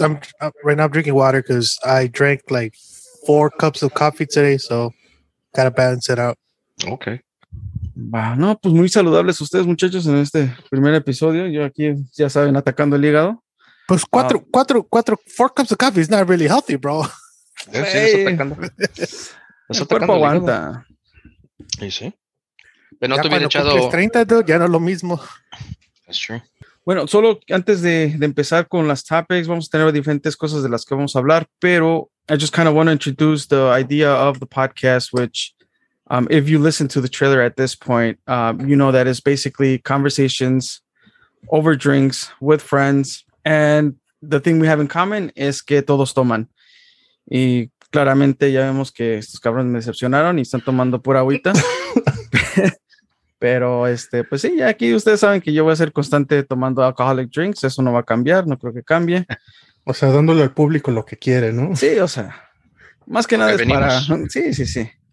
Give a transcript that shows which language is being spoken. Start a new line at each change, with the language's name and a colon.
English: I'm right now drinking water because I drank like 4 cups of coffee today, so gotta balance it out. Okay.
Spanish: Bueno, pues muy saludables ustedes, muchachos, en este primer episodio. Yo aquí, ya saben, atacando el hígado.
English: Pues 4 cups of coffee is not really healthy, bro.
Spanish: Sí, hey. Es atacando. El cuerpo aguanta. Y sí. Pero no te hubiera echado... 30, dude, ya no es lo mismo.
English: That's true.
Spanish: Bueno, solo antes de empezar con las topics, vamos a tener diferentes cosas de las que vamos a hablar, pero
English: I just kind of want to introduce the idea of the podcast, which... if you listen to the trailer at this point, you know that it's basically conversations over drinks with friends. And the thing we have in common is
Spanish: que todos toman. Y claramente ya vemos que estos cabrones me decepcionaron y están tomando pura agüita. Pero pues sí, aquí ustedes saben que yo voy a ser constante tomando
English: alcoholic drinks.
Spanish: Eso no va a cambiar, no creo que cambie. O sea, dándole al público lo que quiere, ¿no? Sí, o sea, más que nada es para... Sí, sí, sí.